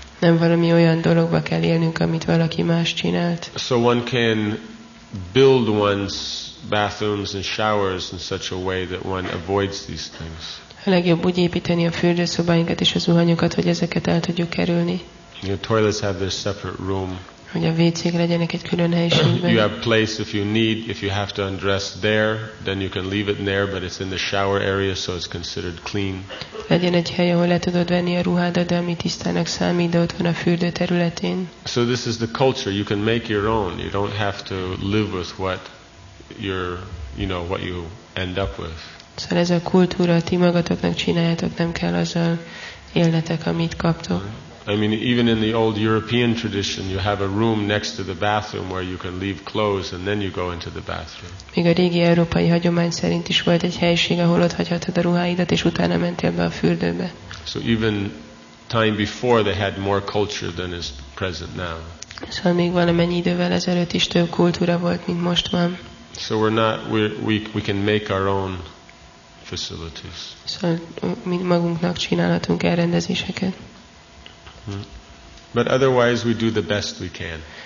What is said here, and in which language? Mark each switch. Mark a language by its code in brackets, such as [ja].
[hu] Nem valami olyan dologba kell élnünk, amit valaki más csinált. [en] So one can build one's bathrooms and showers in such a way that one avoids these things. [hu] A legjobb úgy építeni a fürdőszobáinkat és a zuhanyokat, hogy ezeket el tudjuk kerülni. [en] The toilets have their separate room. [hu] Hogy a WC-k legyenek egy külön helyiségben. [en] You have place if you have to undress there, then you can leave it in there, but it's in the shower area, so it's considered clean. [hu] Legyen egy hely, ahol le tudod venni a ruhádat, de ami tisztának számít, de ott van a fürdő területén. [en] So this is the culture. You can make your own. You don't have to live with what you end up with. [hu] Szóval ez a kultúra, ti magatoknak csináljátok, nem kell azzal élnetek, amit kaptok. [en] I mean, even in the old European tradition, you have a room next to the bathroom where you can leave clothes and then you go into the bathroom. [hu] Még a régi európai hagyomány szerint is volt egy helyiség, ahol ott hagyhatod a ruháidat, és utána mentél be a fürdőbe. [en] So even time before, they had more culture than is present now. [hu] Szóval még valamennyi idővel ezelőtt is több kultúra volt, mint most van. [en] So we can make our own facilities. [hu] Szóval mi magunknak csinálhatunk elrendezéseket. [en] But otherwise we do the best we can.